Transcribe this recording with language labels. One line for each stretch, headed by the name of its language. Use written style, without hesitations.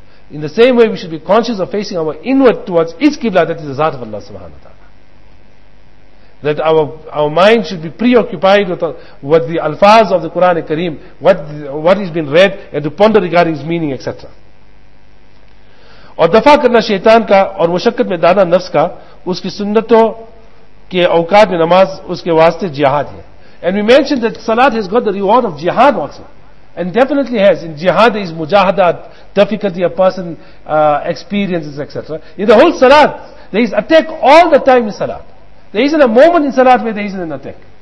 English: In the same way, we should be conscious of facing our inward towards its Qibla, that is the Zaat of Allah subhanahu wa ta'ala. That our mind should be preoccupied with the alfaz of the Quran al-Kareem, what has been read, and to ponder regarding its meaning, etc.
Urdu: اور دفع کرنا شیطان کا اور مشقت میں دانا نفس کا اس کی سنتوں کے اوقات میں نماز اس کے واسطے جہاد ہے.
English: And we mentioned that Salat has got the reward of jihad also. And definitely has. In jihad is mujahada, difficulty a person experiences, etc. In the whole Salat, there is attack all the time in Salat. There isn't a moment in Salat where there isn't an attack.